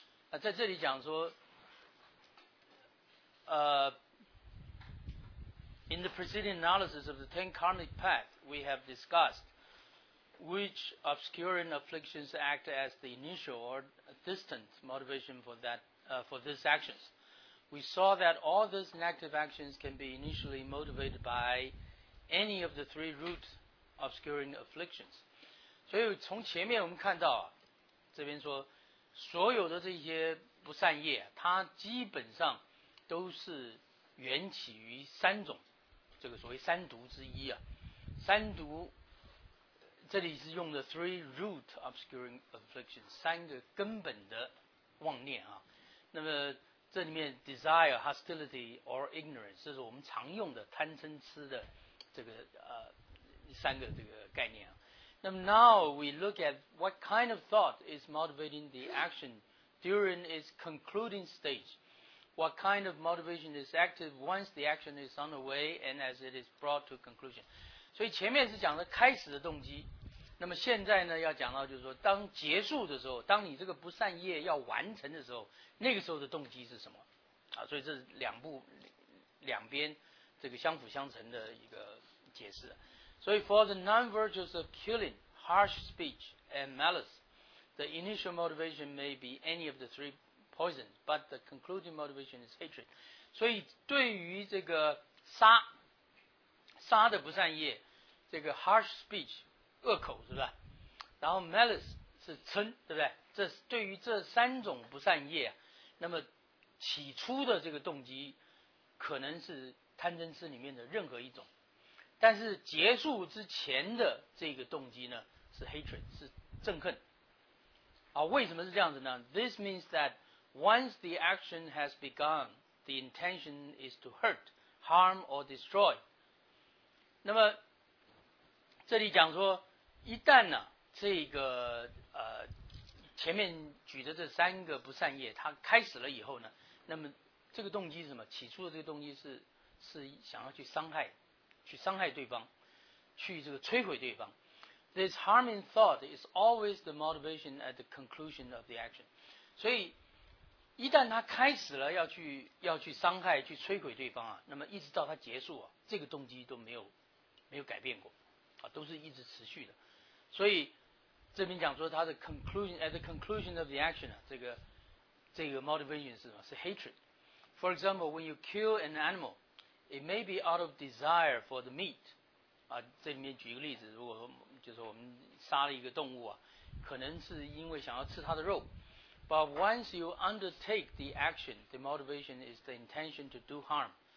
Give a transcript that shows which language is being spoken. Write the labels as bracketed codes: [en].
[zh] 那在这里讲说， [en] in the preceding analysis of the ten karmic paths we have discussed, which obscuring afflictions act as the initial or distant motivation for that for these actions, we saw that all these negative actions can be initially motivated by any of the three root obscuring afflictions. [zh] 所以从前面我们看到，这边说所有的这些不善业，它基本上都是缘起于三种，这个所谓三毒之一啊。三毒这里是用的 [en] three root obscuring afflictions， [zh] 三个根本的妄念啊。那么这里面 [en] desire, hostility or ignorance， [zh] 这是我们常用的贪嗔痴的这个三个这个概念啊。那么 [en] now we look at what kind of thought is motivating the action during its concluding stage. What kind of motivation is active once the action is on the way and as it is brought to conclusion. [zh] 所以前面是讲的开始的动机，那么现在呢要讲到就是说当结束的时候，当你这个不善业要完成的时候，那个时候的动机是什么啊？所以这是两部两边这个相辅相成的一个解释。 [en] So for the non-virtues of killing, harsh speech, and malice, the initial motivation may be any of the three poisons, but the concluding motivation is hatred. [zh] 所以对于这个杀的不善业，这个 [en] harsh speech, [zh] 恶口是吧？然后 malice 是嗔，对不对？这对于这三种不善业，那么起初的这个动机可能是贪嗔痴里面的任何一种。但是结束之前的这个动机呢是 hatred， 是憎恨啊。为什么是这样子呢？ [en] This means that once the action has begun, the intention is to hurt, harm or destroy. [zh] 那么这里讲说一旦呢、啊、这个前面举的这三个不善业它开始了以后呢，那么这个动机是什么？起初的这个动机是想要去伤害，去伤害对方，去这个摧毁对方。 [en] This harming thought is always the motivation at the conclusion of the action. [zh] 所以一旦他开始了要去伤害，去摧毁对方啊，那么一直到他结束啊，这个动机都没有改变过啊，都是一直持续的。所以这边讲说他的 [en] conclusion at the conclusion of the action [zh] 啊，这个 motivation 是什么？是 hatred. [en] For example, when you kill an animalIt may be out of desire for the meat. [zh] 啊，这里面举个例子，如果说就是我们杀了一个动物啊，可能是因为想要吃它的肉。 [en] But once you undertake the action, the motivation is the intention to do harm.